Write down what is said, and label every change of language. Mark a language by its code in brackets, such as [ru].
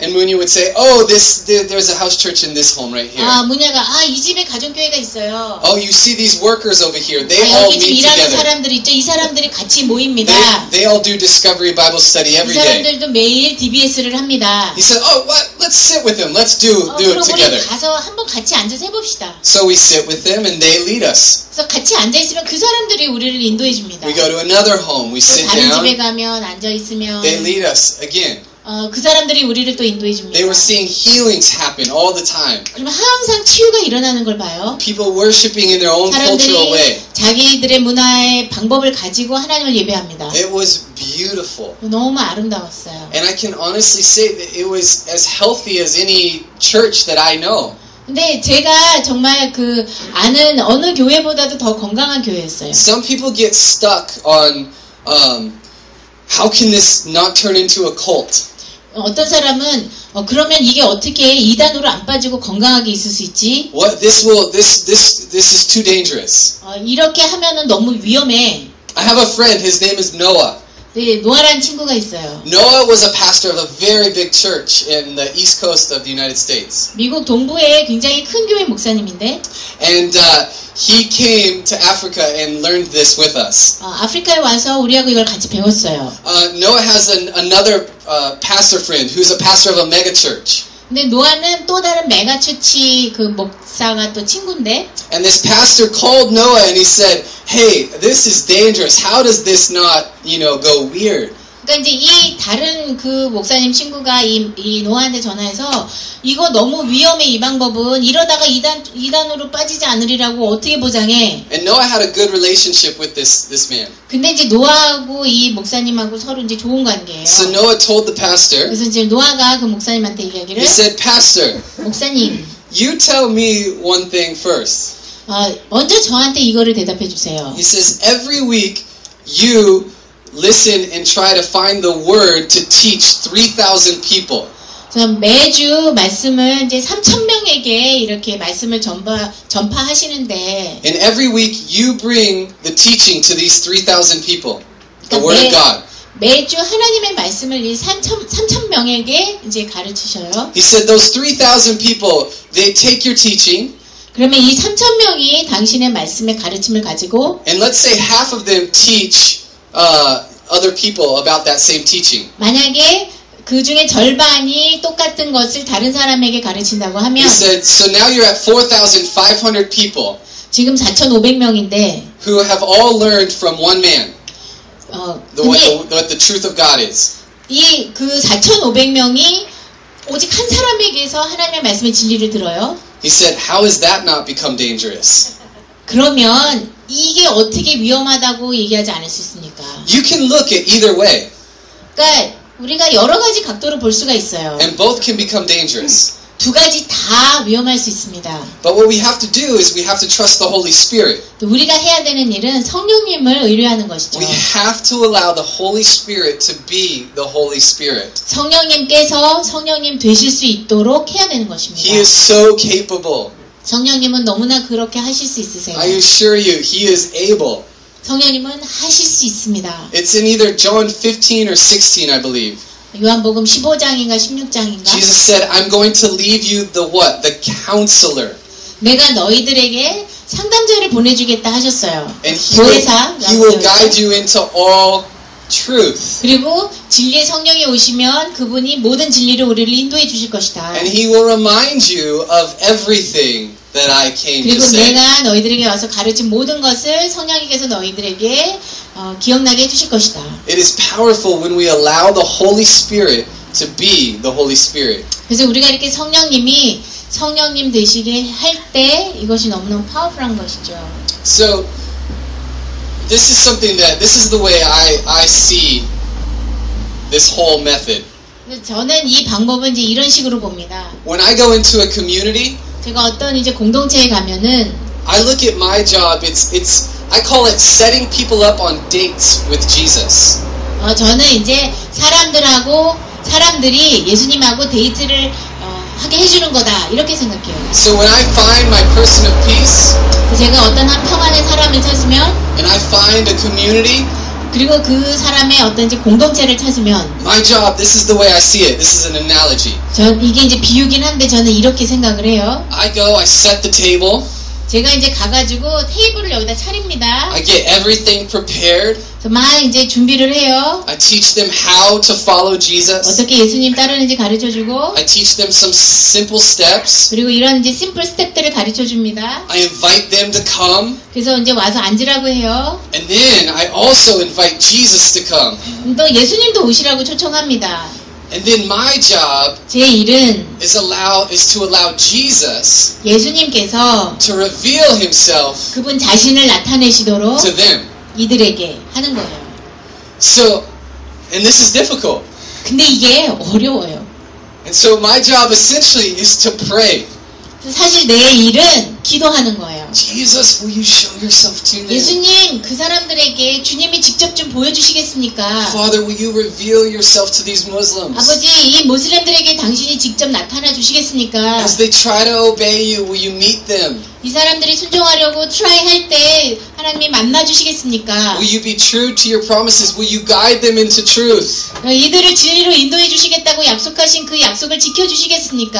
[en] and Munya would say, "Oh, there's a house church in this home right here." [ko] 아, 문야가 아, 이 집에 가정 교회가 있어요. [en] Oh, you see these workers over here. They 아, all meet together. [ko] 여기 일하는 사람들 있죠. 이 사람들이 같이 모입니다. [en] They all do discovery Bible study every day. [ko] 이 사람들도 매일 DBS를 합니다. [en] He said, "Oh, what? Let's sit with them. Let's do it together." [ko] 가서 한번 같이 앉아서 해 봅시다. [en] So we sit with them and they lead us. [ko] 그래서 같이 앉아 있으면 그 사람들이 우리를 인도해 줍니다. [en] We go to another home. We sit [ko] 다른 [en] down. [ko] 다른 집에 가면 앉아 있 [en] They lead us again. [ko] 그 사람들이 우리를 또 인도해 줍니다. [en] They were seeing healings happen all the time. [ko] 그러면 항상 치유가 일어나는 걸 봐요. [en] People worshiping in their own cultural way. [ko] 사람들이 자기들의 문화의 방법을 가지고 하나님을 예배합니다. [en] It was beautiful. [ko] 너무 아름다웠어요. [en] And I can honestly say that it was as healthy as any church that I know. [ko] 근데 제가 정말 그 아는 어느 교회보다도 더 건강한 교회였어요. [en] Some people get stuck on How can this not turn into a cult? [ko] 어떤 사람은 그러면 이게 어떻게 이단으로 안 빠지고 건강하게 있을 수 있지? [en] What this is too dangerous. [ko] 이렇게 하면은 너무 위험해. [en] I have a friend. His name is Noah. [ko] 네, 노아라는 친구가 있어요. [en] Noah was a pastor of a very big church in the East Coast of the United States. [ko] 미국 동부에 굉장히 큰 교회 목사님인데. [en] And he came to Africa and learned this with us. [ko] 아프리카에 와서 우리하고 이걸 같이 배웠어요. [en] Noah has another pastor friend who's a pastor of a mega church. [ko] 근데 노아는 또 다른 메가 처치 그 목사가 또 친구인데. [en] And this pastor called Noah and he said, "Hey, this is dangerous. How does this not, you know, go weird?" [ko] 그러니까 이제 이 다른 그 목사님 친구가 이 노아한테 전화해서 이거 너무 위험해 이 방법은 이러다가 이단으로 빠지지 않으리라고 어떻게 보장해? [en] And Noah had a good relationship with this man. [ko] 근데 이제 노아하고 이 목사님하고 서로 이제 좋은 관계예요. [en] So Noah told the pastor. [ko] 그래서 이제 노아가 그 목사님한테 이야기를. [en] He said, "Pastor, [ko] 목사님, [en] you tell me one thing first." [ko] 먼저 저한테 이거를 대답해 주세요. [en] He says, "Every week, you listen and try to find the word to teach 3,000 people." [ko] 그럼 매주 말씀을 이제 3,000명에게 이렇게 말씀을 전파하시는데. [en] And every week you bring the teaching to these 3,000 people, the word of God. [ko] 매주 하나님의 말씀을 이 3,000명에게 이제 가르치셔요. [en] He said those 3,000 people, they take your teaching. [ko] 그러면 이 3,000명이 당신의 말씀의 가르침을 가지고. [en] And let's say half of them teach other people about that same teaching. [ko] 만약에 그 중에 절반이 똑같은 것을 다른 사람에게 가르친다고 하면 [en] He said, so now you're at 4,500 people [ko] 지금 4,500명인데 [en] who have all learned from one man what the truth of God is [ko] 이 그 4,500명이 오직 한 사람에게서 하나님의 말씀의 진리를 들어요 [en] He said, how has that not become dangerous? [ko] 그러면 이게 어떻게 위험하다고 얘기하지 않을 수 있습니까? [en] You can look at either way [ko] 그러니까 우리가 여러 가지 각도로 볼 수가 있어요. [en] And both can become dangerous. [ko] 두 가지 다 위험할 수 있습니다. [en] But what we have to do is we have to trust the Holy Spirit. [ko] 또 우리가 해야 되는 일은 성령님을 의뢰하는 것이죠. [en] We have to allow the Holy Spirit to be the Holy Spirit. [ko] 성령님께서 성령님 되실 수 있도록 해야 되는 것입니다. [en] He is so capable. [ko] 성령님은 너무나 그렇게 하실 수 있으세요. [en] I assure you, He is able. [ko] 성령님은 하실 수 있습니다. [en] It's in either John 15 or 16, I believe. [ko] 요한복음 15장인가 16장인가? [en] Jesus said, I'm going to leave you the what? The counselor. [ko] 내가 너희들에게 상담자를 보내주겠다 하셨어요. [en] And he will guide you into all truth. [ko] 그리고 진리의 성령이 오시면 그분이 모든 진리를 우리를 인도해 주실 것이다. [en] And he will remind you of everything that I came to say. [ko] 그리고 내가 너희들에게 와서 가르친 모든 것을 성령님께서 너희들에게 기억나게 해 주실 것이다. [en] It is powerful when we allow the Holy Spirit to be the Holy Spirit. [ko] 그래서 우리가 이렇게 성령님이 성령님 되시게 할 때 이것이 너무너무 파워풀한 것이죠. [en] So this is something that this is the way I see this whole method. [ko] 저는 이 방법은 이제 이런 식으로 봅니다. [en] When I go into a community, [ko] 제가 어떤 이제 공동체에 가면은 [en] I look at my job it's I call it setting people up on dates with Jesus. [ko] 저는 이제 사람들하고 사람들이 예수님하고 데이트를 하게 해주는 거다 이렇게 생각해요. [en] So when I find my person of peace, [ko] 제가 어떤 한 평안의 사람을 찾으면, [en] and I find a community, [ko] 그리고 그 사람의 어떤 이제 공동체를 찾으면, [en] my job, this is the way I see it. This is an analogy. [ko] 전 이게 이제 비유긴 한데 저는 이렇게 생각을 해요. [en] I go, I set the table. [ko] 제가 이제 가가지고 테이블을 여기다 차립니다. [en] I get everything prepared. [ko] 막 이제 준비를 해요. [en] I teach them how to follow Jesus. [ko] 어떻게 예수님 따르는지 가르쳐주고. [en] I teach them some simple steps. [ko] 그리고 이런 이제 심플 스텝들을 가르쳐줍니다. [en] I invite them to come. [ko] 그래서 이제 와서 앉으라고 해요. [en] And then I also invite Jesus to come. [ko] 또 예수님도 오시라고 초청합니다. [en] And then my job [ko] 제 일은 [en] is to allow Jesus [ko] 예수님께서 [en] to reveal himself [ko] 그분 자신을 나타내시도록 [en] to them [ko] 이들에게 하는 거예요. [en] So and this is difficult. [ko] 근데 이게 어려워요. [en] And so my job essentially is to pray. [ko] 사실 내 일은 기도하는 거예요. [en] Jesus, will you show yourself to them? [ko] 예수님, 그 사람들에게 주님이 직접 좀 보여주시겠습니까? [en] Father, will you reveal yourself to these Muslims? [ko] 아버지, 이 무슬림들에게 당신이 직접 나타나 주시겠습니까? [en] As they try to obey you, will you meet them? [ko] 이 사람들이 순종하려고 [en] try [ko] 할 때 하나님이 만나 주시겠습니까? [en] Will you be true to your promises? Will you guide them into truth? [ko] 이들을 진리로 인도해 주시겠다고 약속하신 그 약속을 지켜 주시겠습니까?